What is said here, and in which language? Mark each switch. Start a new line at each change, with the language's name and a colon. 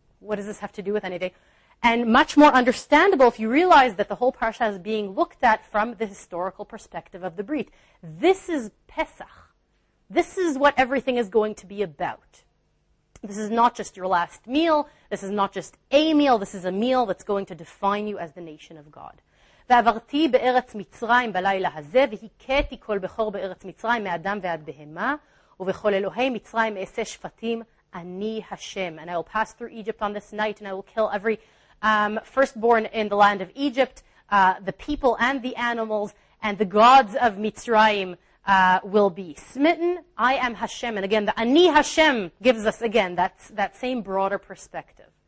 English: What does this have to do with anything? And much more understandable if you realize that the whole parasha is being looked at from the historical perspective of the Brit. This is Pesach. This is what everything is going to be about. This is not just your last meal. This is not just a meal. This is a meal that's going to define you as the nation of God.
Hebrew: ועברתי בארץ מצרים בלילה הזה, והיכיתי כל בכור בארץ מצרים, מאדם ועד בהמה, ובכל אלוהי מצרים אעשה שפטים, אני השם.
English: And I will pass through Egypt on this night, and I will kill every firstborn in the land of Egypt, the people and the animals, and the gods of Mitzrayim will be smitten. I am Hashem. And again, the Ani Hashem gives us, again, that same broader perspective.